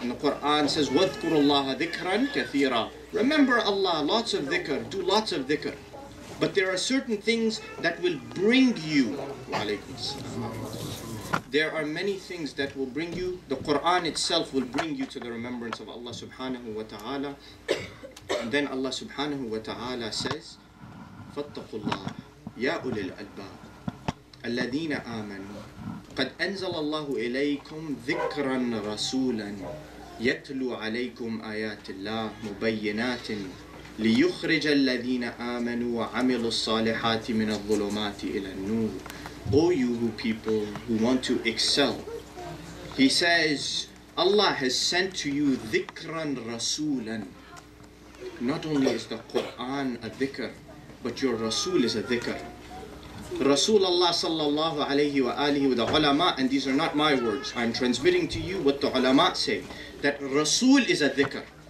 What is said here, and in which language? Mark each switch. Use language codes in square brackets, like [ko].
[en] And the Quran says, [ar] وَذْكُرُ اللَّهَ ذِكْرًا كَثِيرًا. [en] Remember Allah, lots of dhikr, do lots of dhikr. But there are certain things that will bring you, [ar] وَعَلَيْكُمْ السَّلَامُ. [en] There are many things that will bring you, the Quran itself will bring you to the remembrance of Allah subhanahu wa ta'ala. And then Allah subhanahu wa ta'ala says, [ar] فَاتَّقُوا اللَّهَ يَا أُولِي الْأَلْبَابِ الَّذِينَ آمَنُوا قَدْ أَنزَلَ اللَّهُ إِلَيْكُمْ ذِكْرًا رَسُولًا يَتْلُو عَلَيْكُمْ آيَاتِ اللَّهِ مُبَيِّنَاتٍ لِيُخْرِجَ الَّذِينَ آمَنُوا وَعَمِلُوا الصَّالِحَاتِ مِنَ الظُّلُمَاتِ إِلَى النُّورِ. [en] O you who people who want to excel, he says, Allah has sent to you [ar] ذِكْرًا رَسُولًا. [en] Not only is the Qur'an a dhikr, but your Rasul is a dhikr. Rasulullah sallallahu alayhi wa alihi with the ulama, and these are not my words, I'm transmitting to you what the ulama say, that Rasul is a dhikr.